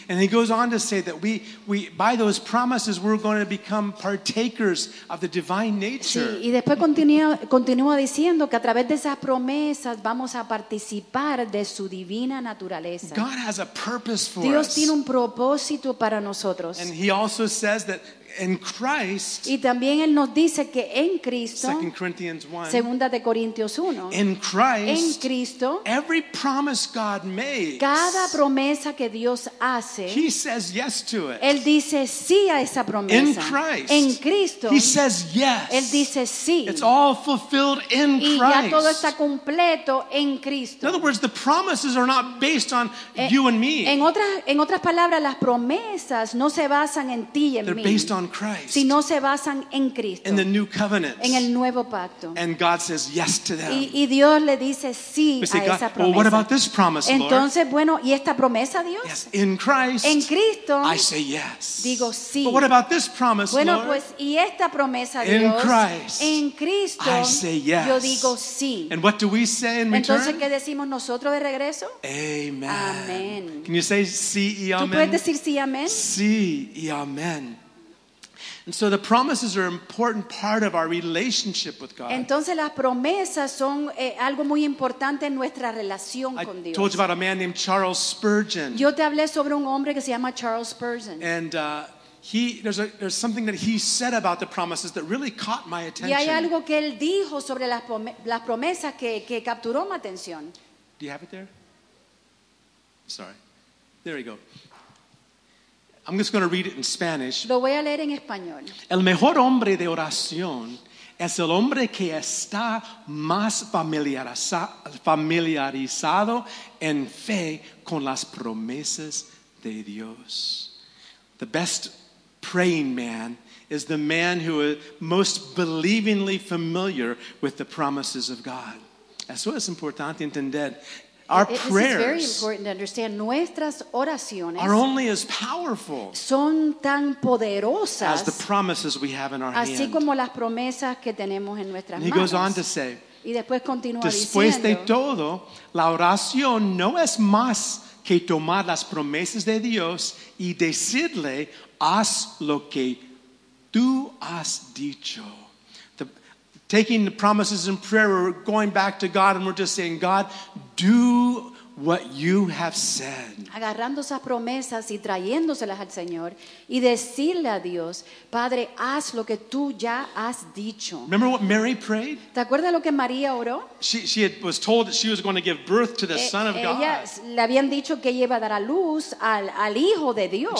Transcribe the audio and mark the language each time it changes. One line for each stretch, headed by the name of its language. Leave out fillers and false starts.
English: And he goes on to say that we by those promises we're going to become partakers of the divine nature.
Spanish: Sí, y después continúa diciendo que a través de esas promesas vamos a participar de su divina naturaleza.
English: God has a purpose for
Spanish: us. Dios tiene un propósito para nosotros.
English: And he also says that in Christ,
Spanish: y también él nos dice que en Cristo,
English: 2 Corinthians 1,
Spanish: segunda de Corintios 1,
English: in Christ,
Spanish: en Cristo,
English: every promise God makes,
Spanish: cada promesa que Dios hace,
English: he says yes to it.
Spanish: Él dice sí a esa promesa.
English: In Christ,
Spanish: en Cristo,
English: he says yes.
Spanish: Él dice sí.
English: It's all fulfilled in
Spanish: y
English: Christ.
Spanish: Y ya todo está completo en Cristo.
English: In other words, the promises are not based on you and me.
Spanish: En otras palabras, las promesas no se basan en ti y en
English: They're
Spanish: mí.
English: Based on Christ,
Spanish: si no se basan en Cristo,
English: in the new covenant,
Spanish: en el nuevo pacto,
English: and God says yes to them.
Spanish: Y Dios le dice sí a esa promesa.
English: Well, what about this promise, Lord?
Spanish: Entonces, bueno, ¿y esta promesa, Dios?
English: Yes, in Christ,
Spanish: en Cristo,
English: I say yes.
Spanish: Digo sí.
English: But what about this promise,
Spanish: bueno,
English: Lord?
Spanish: Pues, ¿y esta promesa, Dios?
English: In Christ,
Spanish: en Cristo,
English: I say yes.
Spanish: Yo digo sí.
English: And what do we say in return?
Spanish: Entonces, ¿qué decimos nosotros de regreso?
English: Amen.
Spanish: Amen.
English: Can you say
Spanish: sí y amén? ¿Tú puedes decir sí y amén? Sí y amén.
English: And so the promises are an important part of our relationship with God.
Spanish: Entonces las promesas son algo muy importante en nuestra relación con Dios.
English: I told you about a man named Charles Spurgeon.
Spanish: Yo te hablé sobre un hombre que se llama Charles Spurgeon.
English: And there's something that he said about the promises that really caught my attention.
Spanish: Y hay algo que él dijo sobre las promesas que capturó mi atención.
English: Do you have it there? Sorry. There you go. I'm just going to read it in Spanish.
Spanish: Lo voy a leer en español. El mejor hombre de oración es el hombre que está más familiarizado en fe con las promesas de Dios.
English: The best praying man is the man who is most believingly familiar with the promises of God.
Spanish: Eso es importante entender.
English: Our prayers, this is very important to understand.
Spanish: Nuestras oraciones
English: are only as powerful
Spanish: son tan poderosas
English: as the promises we have in our hands.
Spanish: Así como las promesas que tenemos en nuestras manos.
English: He goes on to say,
Spanish: y después continúa después diciendo, de todo, la oración no es más que tomar las promesas de Dios y decirle, haz lo que tú has dicho.
English: Taking the promises in prayer, we're going back to God and we're just saying, God, do what you have said.
Spanish: Agarrando esas promesas y trayéndoselas al Señor y decirle a Dios, Padre, haz lo que tú ya has dicho.
English: Remember what Mary prayed?
Spanish: ¿Te acuerdas lo que María oró?
English: She was told that she was going to give birth to the Son of God.
Spanish: Ella le habían dicho que iba a dar a luz al Hijo de Dios.